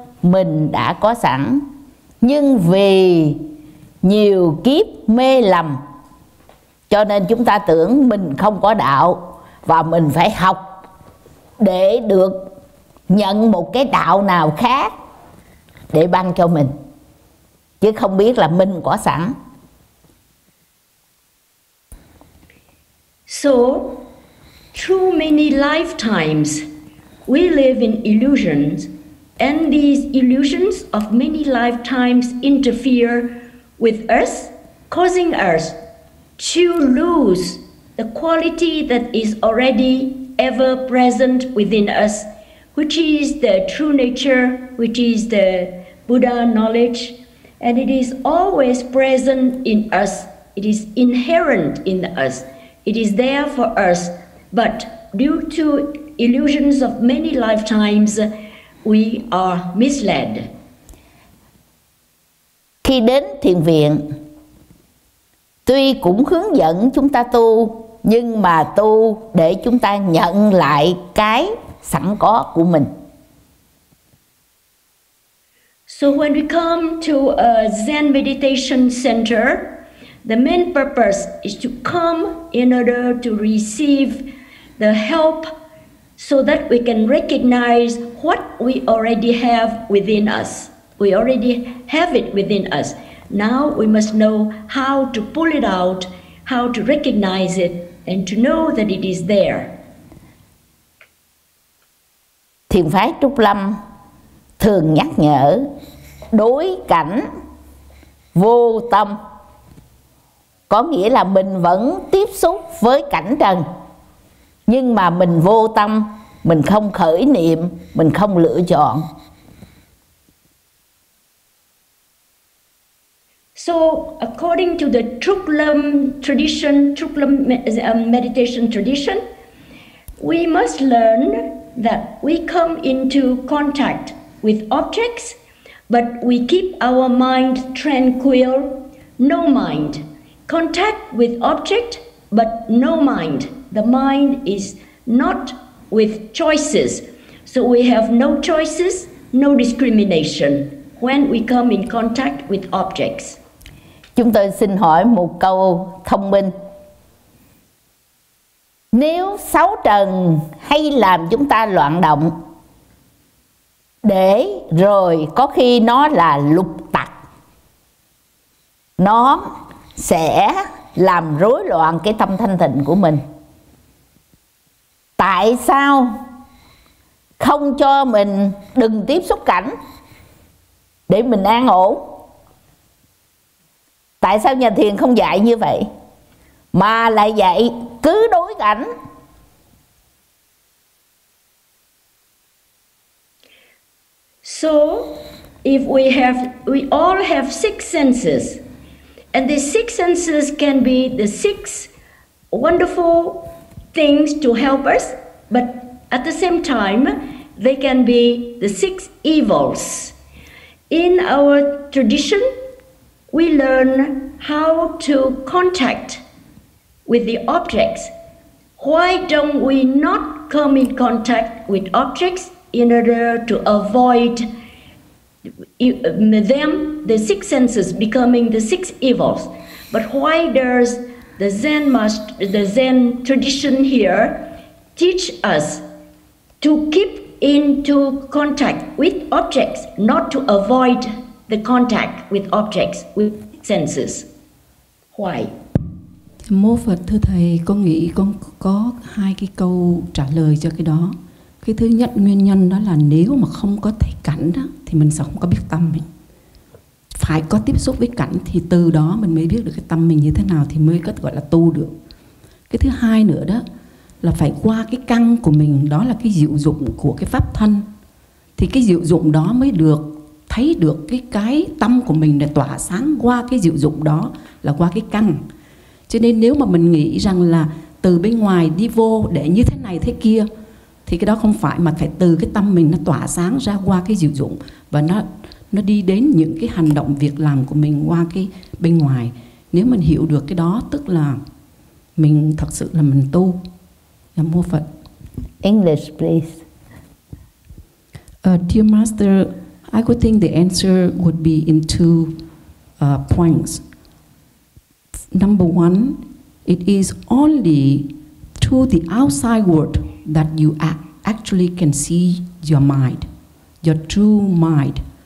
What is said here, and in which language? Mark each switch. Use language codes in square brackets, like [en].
[vi] Mình đã có sẵn. Nhưng vì nhiều kiếp mê lầm cho nên chúng ta tưởng mình không có đạo và mình phải học để được nhận một cái đạo nào khác để ban cho mình. Chứ không biết là mình có sẵn. [en] So, through many lifetimes, we live in illusions, and these illusions of many lifetimes interfere with us, causing us to lose the quality that is already ever present within us, which is the true nature, which is the Buddha knowledge, and it is always present in us, it is inherent in us. It is there for us, but due to illusions of many lifetimes, we are misled. [vi] Khi đến thiền viện, tuy cũng hướng dẫn chúng ta tu, nhưng mà tu để chúng ta nhận lại cái sẵn có của mình. [en] So when we come to a Zen meditation center, the main purpose is to come in order to receive the help so that we can recognize what we already have within us. We already have it within us. Now we must know how to pull it out, how to recognize it, and to know that it is there. [vi] Thiền phái Trúc Lâm thường nhắc nhở đối cảnh vô tâm. Có nghĩa là mình vẫn tiếp xúc với cảnh trần, nhưng mà mình vô tâm, mình không khởi niệm, mình không lựa chọn. [en] So according to the Trúc Lâm tradition, Trúc Lâm meditation tradition, we must learn that we come into contact with objects, but we keep our mind tranquil, no mind. Contact with object, but no mind. The mind is not with choices. So we have no choices, no discrimination when we come in contact with objects. [vi] Chúng tôi xin hỏi một câu thông minh. Nếu sáu trần hay làm chúng ta loạn động, để rồi có khi nó là lục tặc. Nó sẽ làm rối loạn cái tâm thanh tịnh của mình. Tại sao không cho mình đừng tiếp xúc cảnh để mình an ổn? Tại sao nhà thiền không dạy như vậy mà lại dạy cứ đối cảnh? [en] So if we all have six senses. And the six senses can be the six wonderful things to help us, but at the same time, they can be the six evils. In our tradition, we learn how to contact with the objects. Why don't we not come in contact with objects in order to avoid them, the six senses becoming the six evils? But why does the Zen master, the Zen tradition here teach us to keep into contact with objects, not to avoid the contact with objects, with senses? Why? [vi] Mô Phật, thưa Thầy, con nghĩ con có hai cái câu trả lời cho cái đó. Cái thứ nhất, nguyên nhân đó là nếu mà không có thấy cảnh đó, thì mình sẽ không có biết tâm mình. Phải có tiếp xúc với cảnh thì từ đó mình mới biết được cái tâm mình như thế nào thì mới có gọi là tu được. Cái thứ hai nữa đó là phải qua cái căn của mình, đó là cái diệu dụng của cái pháp thân. Thì cái diệu dụng đó mới được thấy được cái tâm của mình để tỏa sáng qua cái diệu dụng đó, là qua cái căn. Cho nên nếu mà mình nghĩ rằng là từ bên ngoài đi vô để như thế này thế kia thì cái đó không phải, mà phải từ cái tâm mình nó tỏa sáng ra qua cái diệu dụng và nó đi đến những cái hành động việc làm của mình qua cái bên ngoài. Nếu mình hiểu được cái đó tức là mình thật sự là mình tu. Nam mô Phật. [en] English, please. Dear Master, I could think the answer would be in two points. Number one, it is only to the outside world that you actually can see your mind, your true mind.